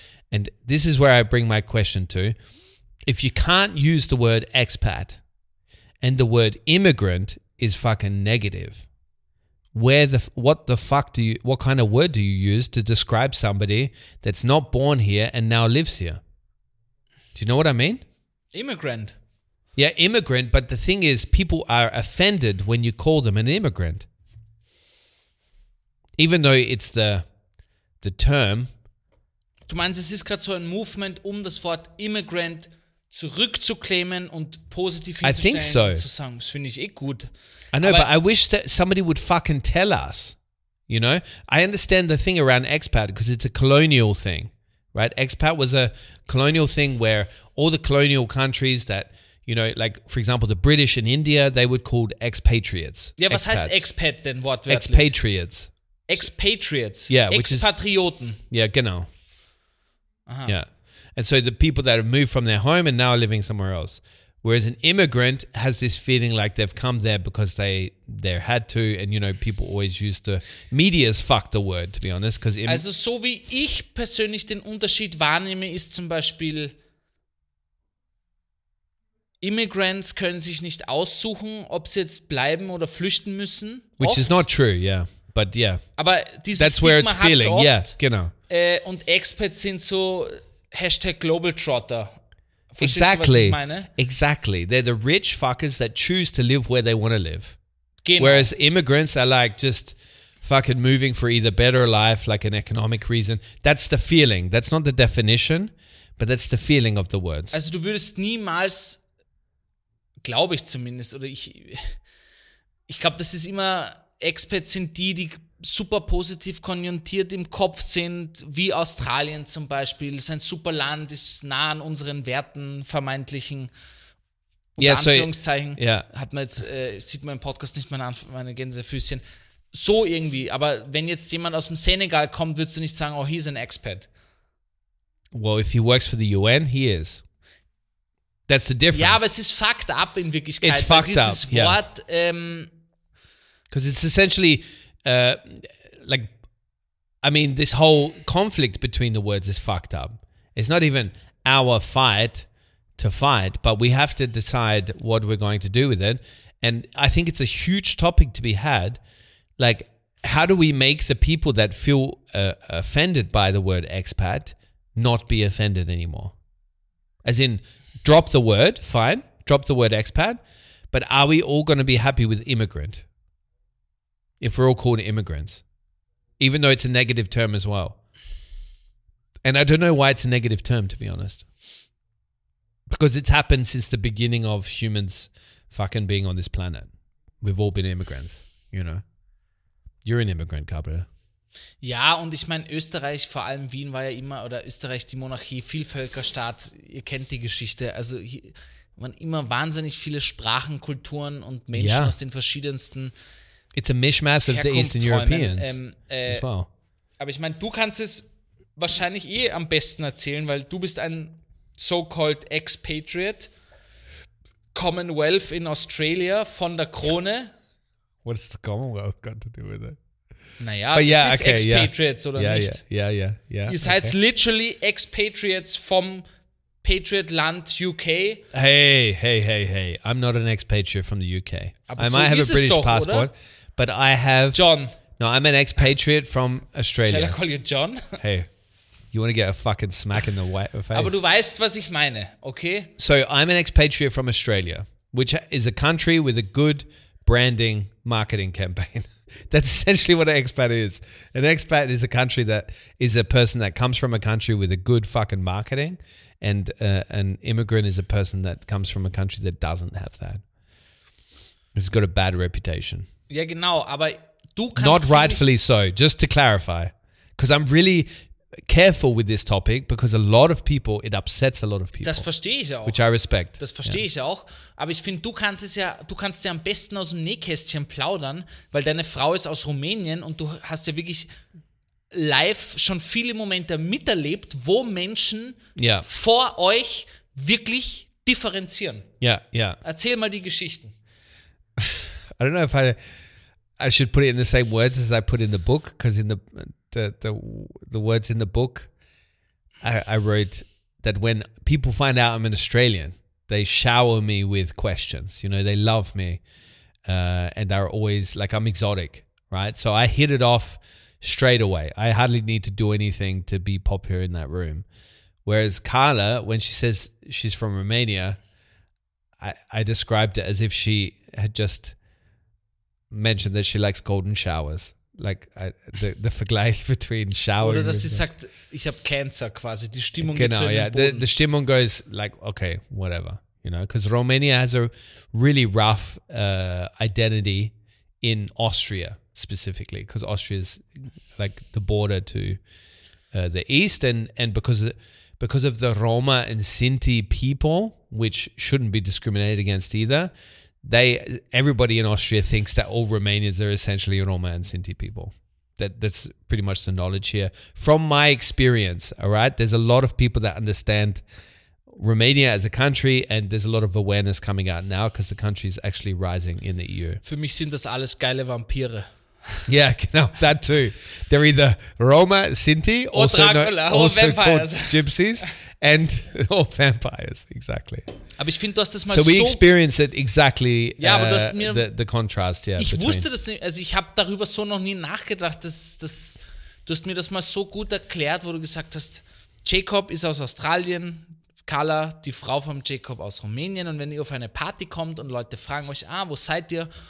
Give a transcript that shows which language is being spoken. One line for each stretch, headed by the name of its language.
English: And this is where I bring my question to. If you can't use the word expat and the word immigrant is fucking negative, what kind of word do you use to describe somebody that's not born here and now lives here? Do you know what I mean? Immigrant. Yeah, immigrant. But the thing is, people are offended when you call them an immigrant. Even though it's the term.
German: Du meinst, es ist gerade so ein Movement, um das Wort Immigrant zurückzuklemmen und positiv hinzustellen, zu sagen, das finde ich eh gut.
English: I know, but I wish that somebody would fucking tell us, you know? I understand the thing around expat because it's a colonial thing, right? Expat was a colonial thing where all the colonial countries that, you know, like, for example, the British in India, they were called expatriates.
German: Ja, was heißt expat denn wortwörtlich?
English: Expatriates. Expatriates. Yeah, which Expatrioten. Is, yeah, genau. Aha. Yeah. And so the people that have moved from their home and now are living somewhere else. Whereas an immigrant has this feeling like they've come there because they had to. And, you know, people always use the media's fuck the word, to be honest.
German: Also so wie ich persönlich den Unterschied wahrnehme, ist zum Beispiel, Immigrants können sich nicht aussuchen, ob sie jetzt bleiben oder flüchten müssen.
English: Which
German: oft.
English: Is not true, yeah. But yeah.
German: Aber dieses
English: That's where it's feeling, oft. Yeah, genau.
German: Und Expats sind so Hashtag Globetrotter.
English: Exactly.
German: Du, was ich meine?
English: Exactly. They're the rich fuckers that choose to live where they want to live.
German: Genau.
English: Whereas immigrants are like just fucking moving for either better life, like an economic reason. That's the feeling. That's not the definition, but that's the feeling of the words.
German: Also du würdest niemals, glaube ich zumindest, oder ich glaube, das ist immer, Expats sind die, die super positiv konjunktiert im Kopf sind, wie Australien zum Beispiel. Das ist ein super Land, ist nah an unseren Werten, vermeintlichen, unter Anführungszeichen.
English: Yeah.
German: Hat man jetzt, sieht man im Podcast nicht meine Gänsefüßchen. So irgendwie, aber wenn jetzt jemand aus dem Senegal kommt, würdest du nicht sagen,
English: oh, he's an expat. Well, if he works for the UN, he is. That's the difference.
German: Ja, aber es ist fucked up in Wirklichkeit.
English: It's fucked
German: dieses
English: up,
German: Wort,
English: yeah. Because it's essentially, like, I mean, this whole conflict between the words is fucked up. It's not even our fight to fight, but we have to decide what we're going to do with it. And I think it's a huge topic to be had. Like, how do we make the people that feel offended by the word expat not be offended anymore? As in, drop the word, fine, drop the word expat, but are we all going to be happy with immigrant? If we're all called immigrants, even though it's a negative term as well. And I don't know why it's a negative term, to be honest. Because it's happened since the beginning of humans fucking being on this planet. We've all been immigrants, you know. You're an immigrant, Gabriel.
German: Ja, und ich meine, Österreich, vor allem Wien war ja immer, oder Österreich, die Monarchie, Vielvölkerstaat, ihr kennt die Geschichte, also hier waren immer wahnsinnig viele Sprachen, Kulturen und Menschen aus den verschiedensten.
English: It's a mishmash of the Eastern Europeans as well.
German: Aber ich meine, du kannst es wahrscheinlich eh am besten erzählen, weil du bist ein so-called expatriate, Commonwealth in Australia von der Krone.
English: What does the Commonwealth got to do with it?
German: Naja, das ist okay, expatriates,
English: yeah.
German: Oder
English: yeah,
German: nicht? Ja, ja, ja. Ihr seid literally expatriates vom Patriot-Land UK.
English: Hey. I'm not an expatriate from the UK.
German: Aber
English: I might
German: so
English: have a British
German: doch,
English: passport,
German: oder?
English: But I have... John. No, I'm an expatriate from Australia. Shall I call you John? Hey, you want to get a fucking smack in the face?
German: Aber du weißt, was ich meine, okay?
English: So I'm an expatriate from Australia, which is a country with a good branding marketing campaign. That's essentially what an expat is. An expat is a country that is a person that comes from a country with a good fucking marketing. And an immigrant is a person that comes from a country that doesn't have that. It's got a bad reputation.
German: Ja, genau. Aber du kannst
English: not rightfully so, just to clarify. Because I'm really careful with this topic because a lot of people, it upsets a lot of people.
German: Das verstehe ich auch.
English: Which I respect.
German: Das verstehe ich auch. Aber ich finde, du kannst ja am besten aus dem Nähkästchen plaudern, weil deine Frau ist aus Rumänien und du hast ja wirklich live schon viele Momente miterlebt, wo Menschen vor euch wirklich differenzieren. Ja, ja. Erzähl mal die Geschichten.
English: I don't know if I should put it in the same words as I put in the book, because in the words in the book, I wrote that when people find out I'm an Australian, they shower me with questions. You know, they love me and are always like, I'm exotic, right? So I hit it off straight away. I hardly need to do anything to be popular in that room. Whereas Carla, when she says she's from Romania, I described it as if she had just mentioned that she likes golden showers. like the Vergleich between showering.
German: Oder dass sie sagt, ich habe Cancer quasi, die Stimmung geht genau, so yeah. Boden.
English: The Stimmung goes like, okay, whatever, you know, because Romania has a really rough identity in Austria specifically, because Austria is like the border to the east, and because of the Roma and Sinti people, which shouldn't be discriminated against either, everybody in Austria thinks that all Romanians are essentially Roma and Sinti people. That's pretty much the knowledge here. From my experience, all right, there's a lot of people that understand Romania as a country, and there's a lot of awareness coming out now because the country is actually rising in the EU.
German: Für mich sind das alles geile Vampire.
English: Yeah, genau, that too. They're either Roma, Sinti, also called gypsies, and all vampires, exactly.
German: Aber ich find, du hast das mal
English: so we experience it exactly,
German: ja, aber du hast mir,
English: the contrast. Yeah,
German: ich wusste das nicht, also ich habe darüber so noch nie nachgedacht, dass du hast mir das mal so gut erklärt, wo du gesagt hast, Jacob ist aus Australien, Carla, die Frau von Jacob aus Rumänien, und wenn ihr auf eine Party kommt und Leute fragen euch, ah, wo seid ihr?